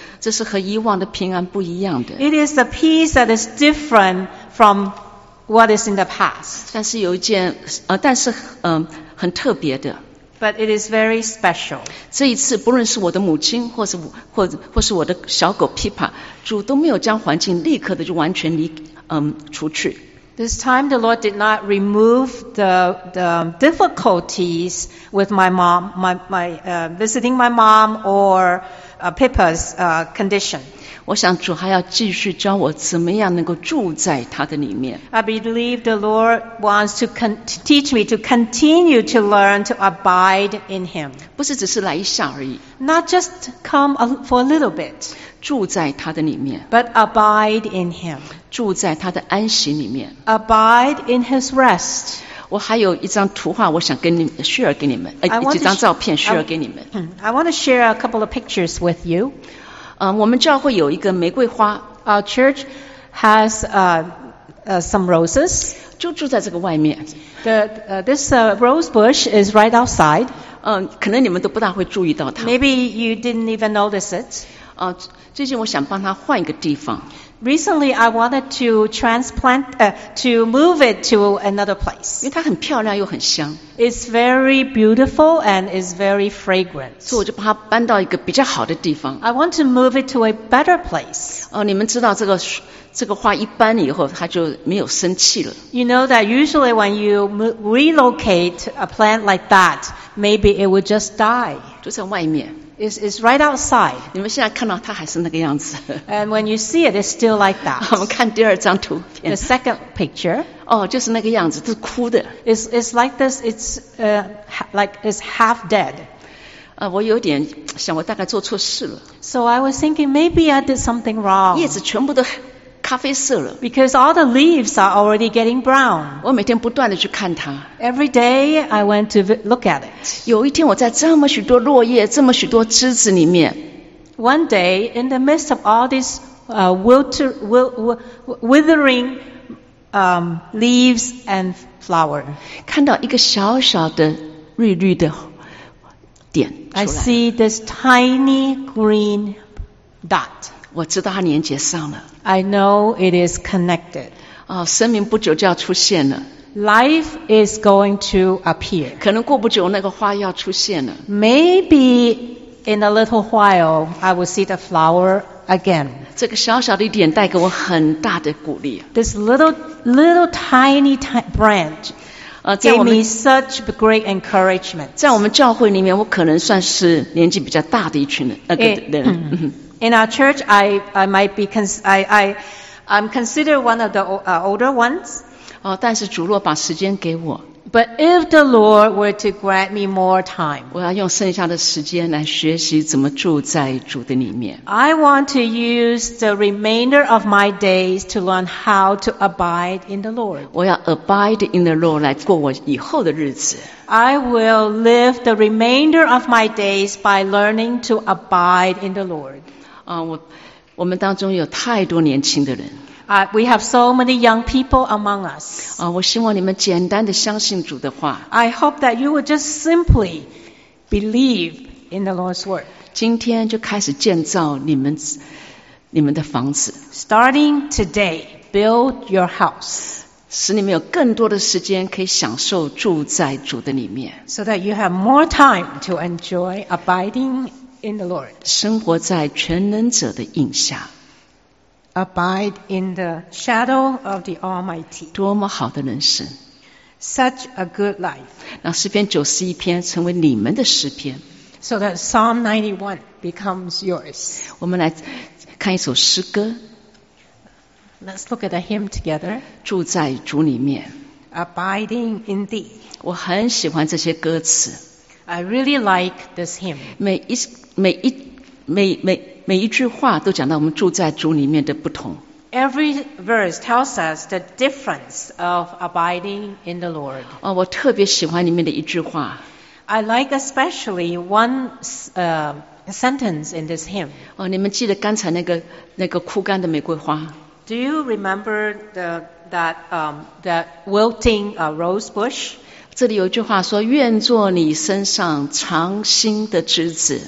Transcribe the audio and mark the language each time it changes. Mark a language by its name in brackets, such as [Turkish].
[Chinese] 这是和以往的平安不一样的。 [English] It is a peace that is different from what is in the past. [Chinese] 但是有一件，但是，很特别的。 [English] But it is very special. [Chinese] 这一次，不论是我的母亲，或是我的小狗 Pippa， 主都没有将环境立刻的就完全离，出去。 [English] This time the Lord did not remove the difficulties with my mom, visiting my mom or Pippa's condition. [Chinese] 我想主还要继续教我怎么样能够住在他的里面。 [English] I believe the Lord wants to teach me to continue to learn to abide in him. [Chinese] 不是只是来一下而已。 [English] Not just come for a little bit. [Chinese] 住在他的里面。 [English] But abide in him. [Chinese] 住在他的安息里面。 [English] Abide in his rest. [Chinese] 我还有一张图画我想跟你们 share 给你们。几张照片 share 给你们。 [English] I want to share a couple of pictures with you. [Chinese] 我们教会有一个玫瑰花。 [English] Our church has some roses. [Chinese] 就住在这个外面。 [English] This rose bush is right outside. [Chinese] 可能你们都不大会注意到它。 [English] Maybe you didn't even notice it. [Chinese] 最近我想帮它换一个地方。 [English] Recently, I wanted to transplant, to move it to another place. [Chinese] 因为它很漂亮又很香。 [English] It's very beautiful and is very fragrant. [Chinese] 所以我就把它搬到一个比较好的地方。 [English] I want to move it to a better place. [Chinese] 你们知道这个花一搬以后，它就没有生气了。 [English] You know that usually when you relocate a plant like that, maybe it will just die. [Chinese] 就在外面。 [English] It's right outside. [Chinese] 你们现在看到它还是那个样子。 [English] And when you see it, it's still like that. [Chinese] 我们看第二张图片。 [English] The second picture. [Chinese] 就是那个样子，是枯的。 [English] It's like this. It's like it's half dead. [Chinese] 我有点想，我大概做错事了。 [English] So I was thinking maybe I did something wrong. [Chinese] 叶子全部都咖啡色了。 [English] Because all the leaves are already getting brown. [Chinese] 我每天不断的去看它。 [English] Every day I went to look at it. [Chinese] 有一天我在这么许多落叶，这么许多枝子里面。 [English] One day in the midst of all these withering leaves and flower. [Chinese] 看到一个小小的绿绿的点出来。 [English] I see this tiny green dot. [Chinese] 我知道它连接上了。 [English] I know it is connected. [Chinese] 生命不久就要出现了。 [English] Life is going to appear. [Chinese] 可能过不久那个花要出现了。 [English] Maybe in a little while, I will see the flower again. [Chinese] 这个小小的一点带给我很大的鼓励。 [English] This little tiny branch gave me such great encouragement. [Chinese] 在我们教会里面，我可能算是年纪比较大的一群人。 [English] In our church, I'm considered one of the older ones. [Chinese] 但是主若把时间给我。 [English] But if the Lord were to grant me more time, [Chinese] 我要用剩下的时间来学习怎么住在主的里面。 [English] I want to use the remainder of my days to learn how to abide in the Lord. [Chinese] 我要 [English] abide in the Lord [Chinese] 来过我以后的日子。 [English] I will live the remainder of my days by learning to abide in the Lord. [Chinese] 我们当中有太多年轻的人。 [English] We have so many young people among us. [Chinese] 我希望你们简单的相信主的话。 [English] I hope that you will just simply believe in the Lord's word. [Chinese] 今天就开始建造你们的房子。 [English] Starting today, build your house. [Chinese] 使你们有更多的时间可以享受住在主的里面。 [English] So that you have more time to enjoy abiding in the Lord. [Chinese] 生活在全能者的荫下。 [English] Abide in the shadow of the Almighty. [Chinese] 多么好的人生。 [English] Such a good life. [Chinese] 让诗篇九十一篇成为你们的诗篇。 [English] So that Psalm 91 becomes yours. [Chinese] 我们来看一首诗歌。 [English] Let's look at a hymn together. [Chinese] 住在主里面。 [English] Abiding in thee. [Chinese] 我很喜欢这些歌词。 [English] I really like this hymn. [Chinese] 每一每一句话都讲到我们住在主里面的不同。 [English] Every verse tells us the difference of abiding in the Lord. [Chinese] 哦，我特别喜欢里面的一句话。 [English] I like especially one sentence in this hymn. [Chinese] 哦，你们记得刚才那个枯干的玫瑰花？ [English] Do you remember the wilting rose bush? [Chinese] 这里有一句话说，愿做你身上长新的枝子。